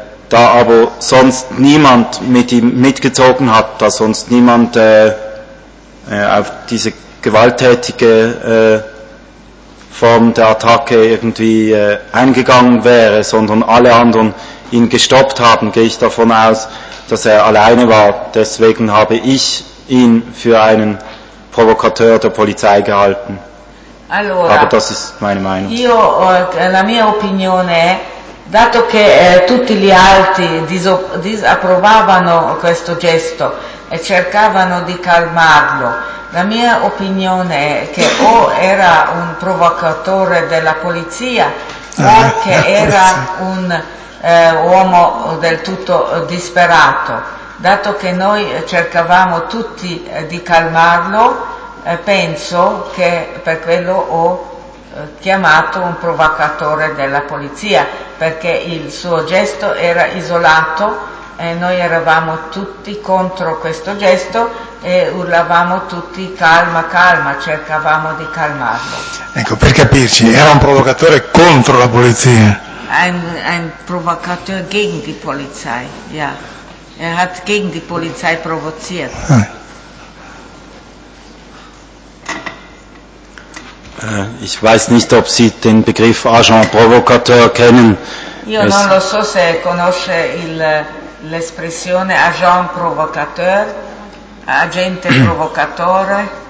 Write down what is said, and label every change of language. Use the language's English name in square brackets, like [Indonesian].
[German] Da aber sonst niemand mit ihm mitgezogen hat, da sonst niemand auf diese gewalttätige Form der Attacke irgendwie eingegangen wäre, sondern alle anderen ihn gestoppt haben, gehe ich davon aus, dass er alleine war. Deswegen habe ich ihn für einen Provokateur der Polizei gehalten. [Italian] Allora, [German] aber das ist meine Meinung. [Italian] La mia opinione è, dato che tutti gli altri disapprovavano questo gesto e cercavano di calmarlo, La mia opinione è che o era un provocatore della polizia, o che era un uomo del tutto disperato. Dato che noi cercavamo tutti di calmarlo, penso che per quello ho chiamato un provocatore della polizia, perché il suo gesto era isolato e noi eravamo tutti contro questo gesto e urlavamo tutti calma, calma, cercavamo di calmarlo. Ecco, per capirci, era un provocatore contro la polizia. [German] Ein provocateur gegen die Polizei, ja. Hat gegen die Polizei provoziert. Ich weiß nicht, ob Sie den Begriff Agent Provocateur kennen. [Italian] Io non lo so se conosce l'espressione Agent Provocateur, agente provocatore.